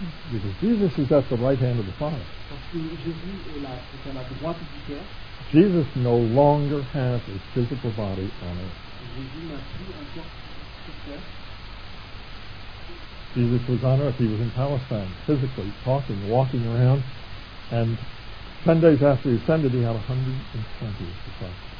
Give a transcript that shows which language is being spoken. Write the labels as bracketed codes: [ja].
[en] Because Jesus is at the right hand of the Father. [fr] Parce que Jésus est à la droite du Père. [en] Jesus no longer has a physical body on earth. [fr] Jésus n'a plus un corps sur terre. [en] Jesus was on earth. He was in Palestine, physically, talking, walking around. And 10 days after he ascended, he had 120 disciples.